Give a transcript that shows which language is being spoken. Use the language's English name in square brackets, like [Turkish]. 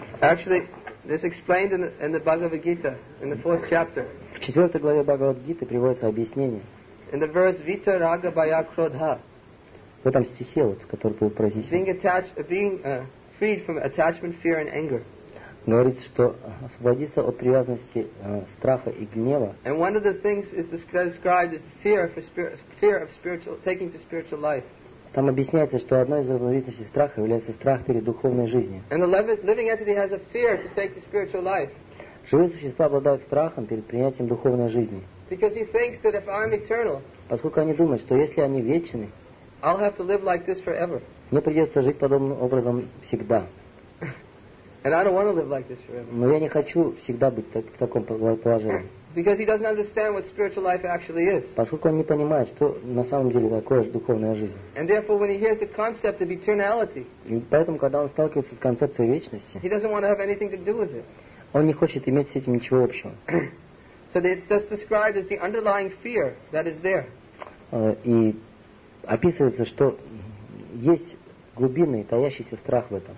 [English] Actually, this explained in the Bhagavad Gita, in the fourth chapter. [Russian] В четвертой главе Бхагавад Гиты приводится объяснение. [English] In the verse Vita Raga Baya Krodha. [Russian] В этом стихе, вот, который был произнесен. [English] Being freed from attachment, fear, and anger. [Russian] Говорится, что освободиться от привязанности страха и гнева. [English] And one of the things is described as taking to spiritual life. [Russian] Там объясняется, что одной из разновидностей страха является страх перед духовной жизнью. [English] And the living entity has a fear to take to spiritual life. [Russian] Живые существа обладают страхом перед принятием духовной жизни. [English] Because he thinks that if I'm eternal. [Russian] Поскольку они думают, что если они вечны. [English] I'll have to live like this forever. [Russian] Мне придется жить подобным образом всегда. [English] And I don't want to live like this forever. [Russian] Но я не хочу всегда быть в таком положении. [English] Because he doesn't understand what spiritual life actually is. [Russian] Поскольку он не понимает, что на самом деле такое же духовная жизнь. [English] And therefore, when he hears the concept of eternality. [Russian] И поэтому, когда он сталкивается с концепцией вечности. [English] He doesn't want to have anything to do with it. [Russian] Он не хочет иметь с этим ничего общего. [English] So it's just described as the underlying fear that is there. [Russian] И описывается, что есть глубинный, таящийся страх в этом.